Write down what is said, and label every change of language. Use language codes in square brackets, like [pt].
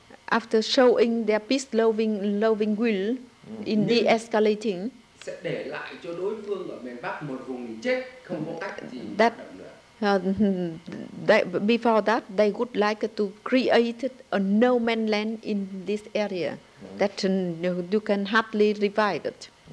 [en] After showing their peace-loving will in de-escalating, [vi] sẽ để lại cho đối phương ở miền Bắc một vùng chết không có cách gì hoạt động nữa. [en] Before that, they would like to create a no man land in this area that you can hardly revive it.